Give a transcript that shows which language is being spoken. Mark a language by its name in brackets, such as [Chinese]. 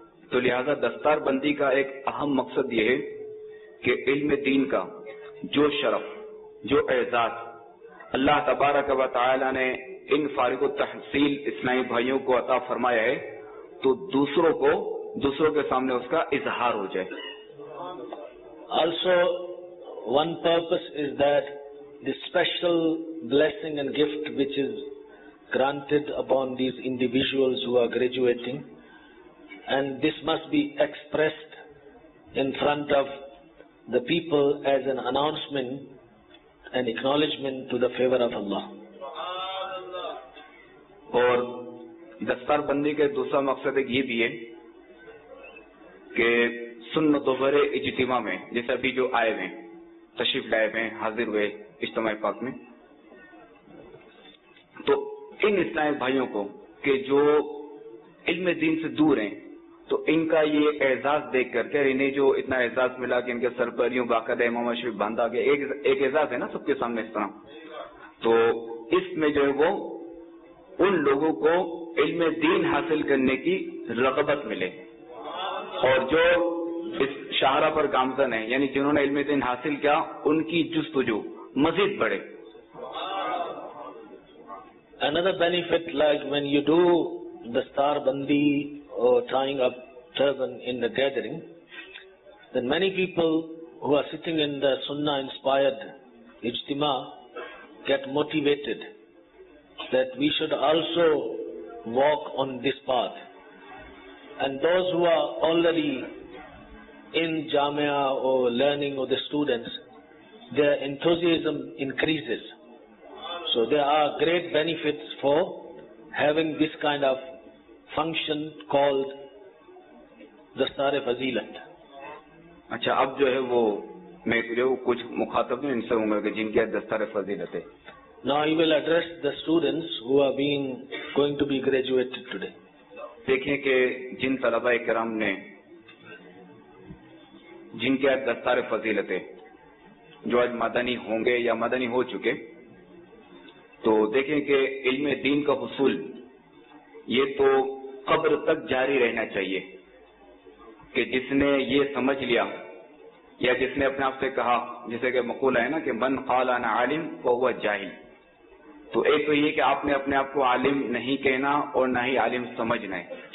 [Urdu] تو لہذا دستار بندی کا ایک اہم مقصد یہ ہے کہ علم دین کا جو شرف، جو اعزاز اللہ تبارک و تعالی نے ان فارغ التحصیل اسلامی بھائیوں کو عطا فرمایا ہے، تو دوسروں کے سامنے اس کا اظہار ہو جائے. [English] Also one purpose is that the special blessing and gift which is granted upon these individuals who are graduating and this must be expressed in front of the people as an announcement an acknowledgement to the favor of Allah. [Urdu] اور دستار بندی کے دوسرا مقصد ایک یہ بھی ہے کہ سن دوبر اجتماع میں جیسے ابھی جو آئے ہوئے تشریف لائے ہوئے حاضر ہوئے اجتماع پاک میں، تو ان اسلامی بھائیوں کو کہ جو علم دین سے دور ہیں تو ان کا یہ اعزاز دیکھ کر کے انہیں جو اتنا اعزاز ملا کہ ان کے سر پر یوں باقاعدہ امام اشرف باندھا گیا, ایک اعزاز ہے نا سب کے سامنے اس طرح, تو اس میں جو ہے وہ ان لوگوں کو علم دین حاصل کرنے کی رغبت ملے. اور جو اس شاہراہ پر گامزن ہیں یعنی جنہوں نے علم دین حاصل کیا ان کی جستجو مزید بڑھے. [English] Another benefit, like when you do the star bandi or tying up turban in the gathering, then many people who are sitting in the sunnah inspired ijtima get motivated that we should also walk on this path. And those who are already in jamia or learning or the students, their enthusiasm increases. So there are great benefits for having this kind of function called Dastar-e-Fazilat. [Urdu] اچھا اب جو ہے وہ میں جو کچھ مخاطب ہوں ان سے ہوں گا کہ جن کے دستار-ے-فضیلت ہے. [English] Now I will address the students who are going to be graduated today. [Urdu] دیکھیں کہ جن طلباء کرام نے جن کے دستار-ے-فضیلت ہیں جو آج مدنی ہوں گے یا مدنی ہو چکے, تو دیکھیں کہ علم دین کا حصول یہ تو قبر تک جاری رہنا چاہیے کہ جس نے یہ سمجھ لیا یا جس نے اپنے آپ سے کہا, جیسے کہ مقولہ ہے نا کہ [Arabic] من قال انا عالم فهو جاہل, [Urdu] تو ایک تو یہ کہ آپ نے اپنے آپ کو عالم نہیں کہنا اور نہ ہی عالم سمجھنا ہے.